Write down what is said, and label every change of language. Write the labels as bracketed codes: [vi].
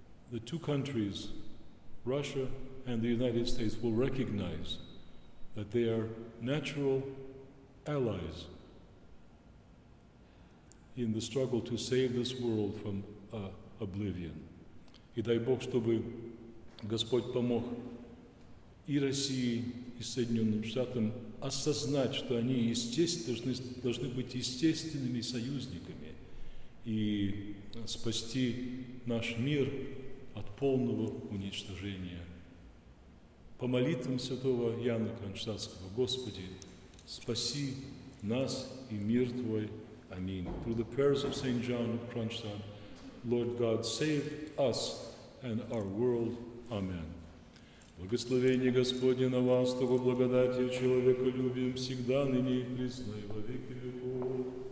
[en] the two countries, Russia and the United States, will recognize that they are natural allies in the struggle to save this world from oblivion. [ru] И дай Бог, чтобы Господь помог и России, и Соединенным Штатам осознать, что они должны быть естественными союзниками и спасти наш мир от полного уничтожения. По молитвам святого Иоанна Кронштадтского, Господи, спаси нас и мир Твой. [en] Amen. Through the prayers of St. John of Kronstadt, Lord God, save us and our world. Amen. [ru] Благословение Господне на вас, того благодатью человеколюбием всегда, ныне и присно, и во веки веков.